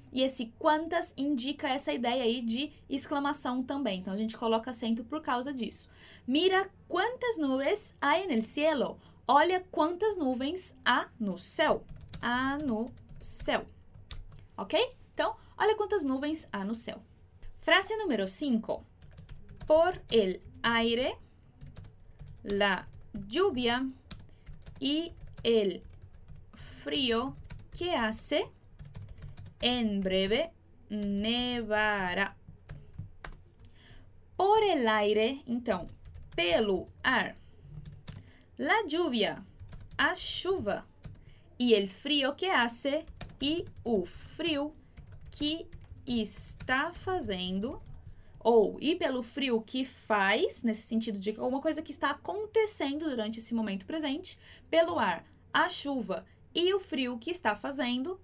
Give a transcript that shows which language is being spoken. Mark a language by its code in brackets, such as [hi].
[pt] E esse quantas indica essa ideia aí de exclamação também. Então a gente coloca acento por causa disso. [es] Mira quantas nuvens há en el cielo. [pt] Olha quantas nuvens há no céu. Há no céu. Ok? Então, olha quantas nuvens há no céu. Frase número 5. [es] Por el aire, la lluvia y el frío que hace, en breve nevará. Por el aire, [pt] então, pelo ar. [es] La lluvia, [pt] a chuva. [es] Y el frío que hace, [pt] e o frio que está fazendo. Ou, e pelo frio que faz, nesse sentido de alguma coisa que está acontecendo durante esse momento presente, pelo ar, a chuva e o frio que está fazendo.